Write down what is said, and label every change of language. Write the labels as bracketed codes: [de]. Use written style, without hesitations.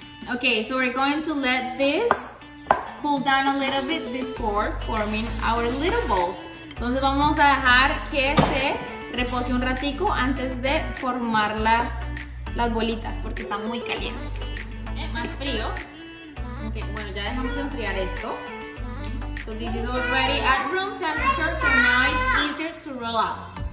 [en] Okay, so we're going to let this cool down a little bit before forming our little balls. [es] Entonces vamos a dejar que se repose un ratico antes de formar las bolitas porque está muy caliente. Más frío. Okay, bueno, ya dejamos enfriar esto. [en] So this is already at room temperature, so now it's easier to roll out.